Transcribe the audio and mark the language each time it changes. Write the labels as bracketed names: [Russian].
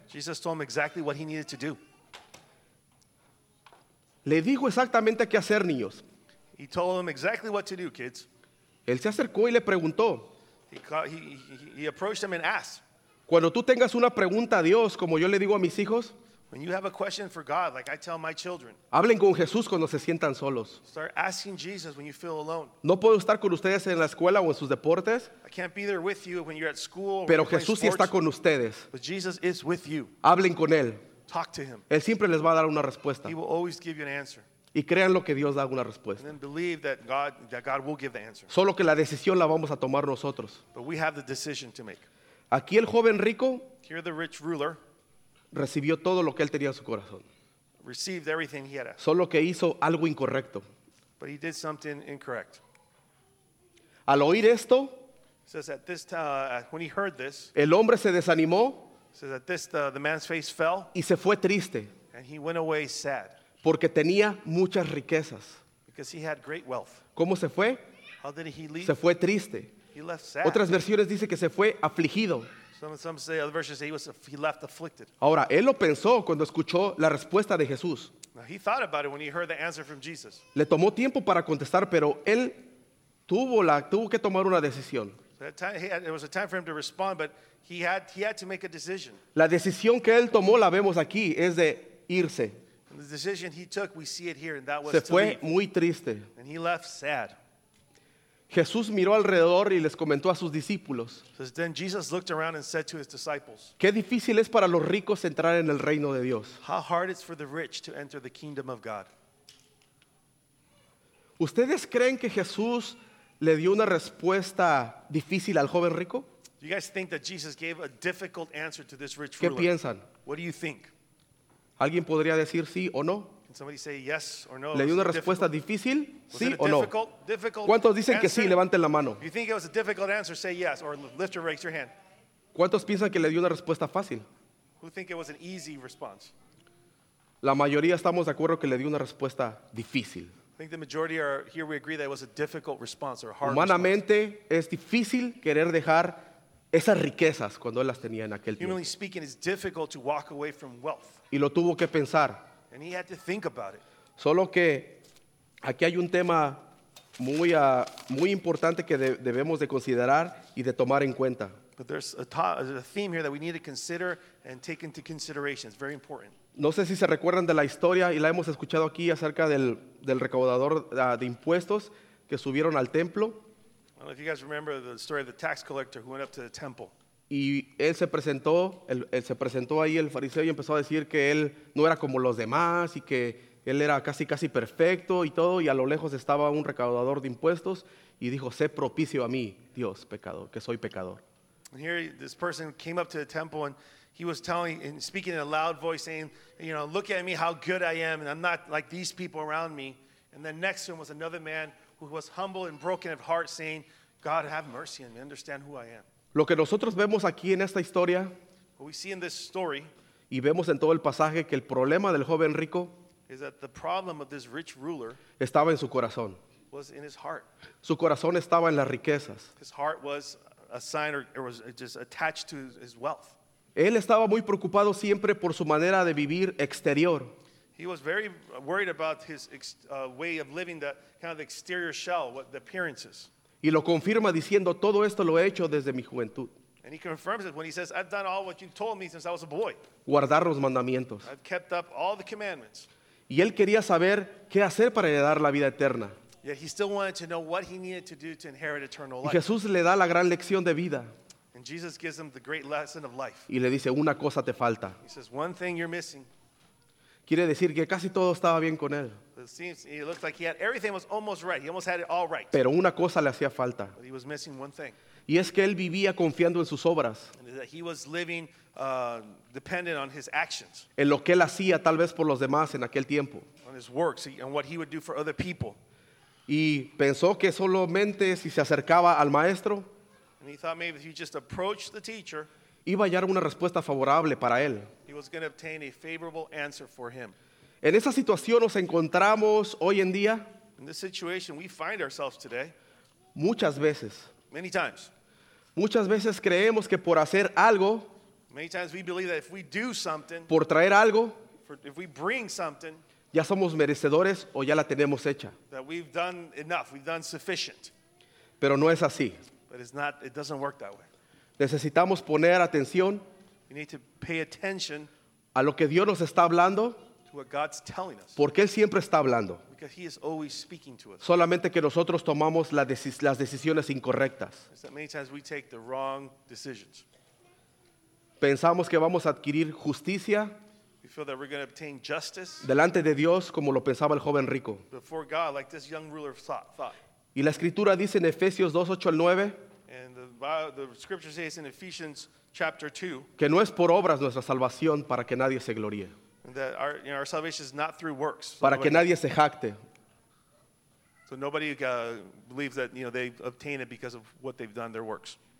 [English] Jesus told him exactly what he needed to do. [Spanish] Le dijo exactamente qué hacer, niños. [English] He told him exactly what to do, kids. [Spanish] Él se acercó y le preguntó. [English] He approached him and asked. [Spanish] Cuando tú tengas una pregunta a Dios, como yo le digo a mis hijos, [English] when you have a question for God, like I tell my children, [Spanish] hablen con Jesús cuando se sientan solos. [English] Start asking Jesus when you feel alone. [Spanish] No puedo estar con ustedes en la escuela o en sus deportes. [English] I can't be there with you when you're at school. [Spanish] Pero Jesús sí está con ustedes. [English] But Jesus is with you. [Spanish] Hablen con él. [English] Talk to him. [Spanish] Él siempre les va a dar una respuesta. [English] He will always give you an answer. [Spanish] Y crean lo que Dios da una respuesta. [English] And then believe that God will give the answer. [Spanish] Solo que la decisión la vamos a tomar nosotros. [English] But we have the decision to make. [Spanish] Aquí el joven rico. [English] Here the rich ruler. [Spanish] Recibió todo lo que él tenía en su corazón. [English] Received everything he had. [Spanish] Solo que hizo algo incorrecto. [English] But he did something incorrect. [Spanish] Al oír esto, [English] says at this when he heard this, [Spanish] el hombre se desanimó. [English] Says at this the man's face fell. [Spanish] Y se fue triste. [English] And he went away sad. [Spanish] Porque tenía muchas riquezas. [English] Because he had great wealth. [Spanish] ¿Cómo se fue? [English] How did he leave? [Spanish] Se fue triste. [English] He left sad. [Spanish] Otras versiones dicen que se fue afligido. [English] Some say, other versions say he left afflicted. [Spanish] Ahora, él lo pensó cuando escuchó la respuesta de Jesús. [English] Now, he thought about it when he heard the answer from Jesus. [Spanish] Le tomó tiempo para contestar, pero él tuvo que tomar una decisión. [English] It was a time for him to respond, but he had to make a decision. [Spanish] La decisión que él tomó la vemos aquí, es de irse. [English] And the decision he took, we see it here, and that was [Spanish] Se [English] to [Spanish] fue [English] leave. [Spanish] Muy triste. [English] And he left sad. [Spanish] Jesús miró alrededor y les comentó a sus discípulos. [English] Then Jesus looked around and said to his disciples, [Spanish] qué difícil es para los ricos entrar en el reino de Dios. [English] How hard it's for the rich to enter the kingdom of God. [Spanish] ¿Ustedes creen que Jesús le dio una respuesta difícil al joven rico? [English] Do you guys think that Jesus gave a difficult answer to this rich [Spanish] ¿Qué [English] ruler? [Spanish] Piensan? [English] What do you think? [Spanish] ¿Alguien podría decir sí o no? [English] Can somebody say yes or no? [Spanish] ¿Le dio una respuesta difícil? ¿Sí o no? [English] Difficult [Spanish] ¿Cuántos dicen [English] answer? [Spanish] Que sí? Levanten la mano. [English] You think it was a difficult answer, say yes. Or lift or raise your hand. [Spanish] ¿Cuántos piensan que le dio una respuesta fácil? [English] Who think it was an easy response? [Spanish] La mayoría estamos de acuerdo que le dio una respuesta difícil. [English] I think the majority are here, we agree that it was a difficult response or hard [Spanish] Humanamente, [English] response. [Spanish] Humanamente, es difícil querer dejar esas riquezas cuando él las tenía en aquel [English] Humanly Speaking, it's difficult to walk away from wealth. [Spanish] Y lo tuvo que pensar. [English] And he had to think about it. [Spanish] Solo que aquí hay un tema muy muy importante que debemos de considerar y de tomar en cuenta. [English] But there's a theme here that we need to consider and take into consideration. It's very important. [Spanish] No sé si se recuerdan de la historia y la hemos escuchado aquí acerca del recaudador de impuestos que subieron al templo. [English] I don't know if you guys remember the story of the tax collector who went up to the temple. [Spanish] Y él se presentó, él se presentó ahí el fariseo y empezó a decir que él no era como los demás y que él era casi casi perfecto y todo. Y a lo lejos estaba un recaudador de impuestos y dijo, sé propicio a mí, Dios, pecador, que soy pecador. [English] And here this person came up to the temple and he was telling and speaking in a loud voice saying, you know, look at me, how good I am. And I'm not like these people around me. And then next to him was another man who was humble and broken of heart saying, God, have mercy on me. Understand who I am. [Spanish] Lo que nosotros vemos aquí en esta historia. [English] What we see in this story. [Spanish] Y vemos en todo el pasaje que el problema del joven rico. [English] Is that the problem of this rich ruler. [Spanish] Estaba en su corazón. [English] Was in his heart. [Spanish] Su corazón estaba en las riquezas. [English] His heart was a sign or was just attached to his wealth. [Spanish] Él estaba muy preocupado siempre por su manera de vivir exterior. [English] He was very worried about his way of living, the kind of the exterior shell, what the appearances. [Spanish] Y lo confirma diciendo, todo esto lo he hecho desde mi juventud. [English] And he confirms it when he says, I've done all what you told me since I was a boy. [Spanish] Guardar los mandamientos. [English] I've kept up all the commandments. [Spanish] Y él quería saber qué hacer para heredar la vida eterna. [English] Yet he still wanted to know what he needed to do to inherit eternal life. [Spanish] Y Jesús le da la gran lección de vida. [English] And Jesus gives him the great lesson of life. [Spanish] Y le dice, una cosa te falta. [English] He says, one thing you're missing. [Spanish] Quiere decir que casi todo estaba bien con él. [English] It seems, it looks like he had, everything was almost right. He almost had it all right. [Spanish] Pero una cosa le hacía falta. [English] But he was missing one thing. [Spanish] Y es que él vivía confiando en sus obras. [English] And that he was living dependent on his actions. [Spanish] En lo que él hacía tal vez por los demás en aquel tiempo. [English] On his works and what he would do for other people. [Spanish] Y pensó que solamente si se acercaba al maestro. [English] And he thought maybe if he just approached the teacher. [Spanish] Iba a hallar una respuesta favorable para él. [English] He was going to obtain a favorable answer for him. [Spanish] En esa situación nos encontramos hoy en día. [English] In this situation we find ourselves today. [Spanish] Muchas veces. [English] Many times. [Spanish] Muchas veces creemos que por hacer algo. [English] Many times we believe that if we do something. [Spanish] Por traer algo. [English] If we bring something. [Spanish] Ya somos merecedores o ya la tenemos hecha. [English] That we've done enough, we've done sufficient. [Spanish] Pero no es así. [English] But it's not, it doesn't work that way. [Spanish] Necesitamos poner atención. [English] We need to pay attention. [Spanish] A lo que Dios nos está hablando. [English] To what God's telling us. [Spanish] Porque Él siempre está hablando. [English] Because He is always speaking to us. [Spanish] Solamente que nosotros tomamos las decisiones incorrectas. [English] It's that many times we take the wrong decisions. [Spanish] Pensamos que vamos a adquirir justicia. [English] We feel that we're going to obtain justice. [Spanish] Delante de Dios, como lo pensaba el joven rico. [English] Before God, like this young ruler thought. [Spanish] Y la escritura dice en Efesios 2:8-9. [English] And the scripture says in Ephesians chapter 2. [Spanish] Que no es por obras nuestra salvación para que nadie se gloríe. [English] That our, you know, our salvation is not through works. [Spanish] So para [English] nobody, [Spanish] que nadie se jacte. [English] So nobody believes that, you know, they obtain it because of what they've done, their works.